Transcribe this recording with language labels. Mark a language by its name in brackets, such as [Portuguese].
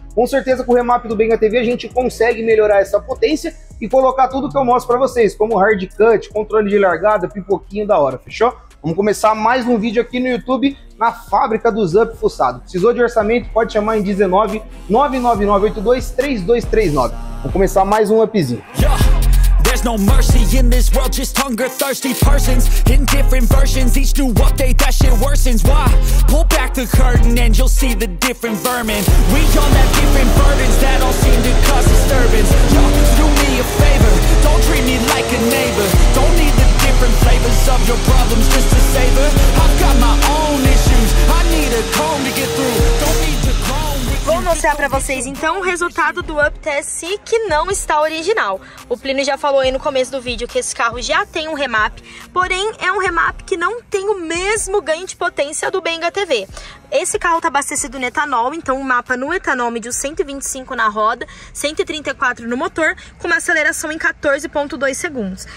[Portuguese] Com certeza com o remap do Benga TV a gente consegue melhorar essa potência e colocar tudo que eu mostro para vocês, como hard cut, controle de largada, pipoquinho da hora, fechou? Vamos começar mais um vídeo aqui no YouTube, na fábrica do UP Fuçado. Precisou de orçamento, pode chamar em 19-999-823-2239. Vamos começar mais um UPzinho. [English] There's no mercy in this world, just hunger-thirsty persons in different versions, each new update that shit worsens. Why? Pull back the curtain and you'll see the different vermin. We all have different burdens that all seem to cause disturbance. Yo, do me a favor, don't treat me like a neighbor. Don't need the different flavors of your problems just to savor. I've got my own issues, I need a comb to get through. [Portuguese] Vou mostrar para vocês então o resultado do UP TSI que não está original. O Plínio já falou aí no começo do vídeo que esse carro já tem um remap, porém é um remap que não tem o mesmo ganho de potência do Benga TV. Esse carro está abastecido no etanol, então o mapa no etanol mediu 125 na roda, 134 no motor, com uma aceleração em 14,2 segundos.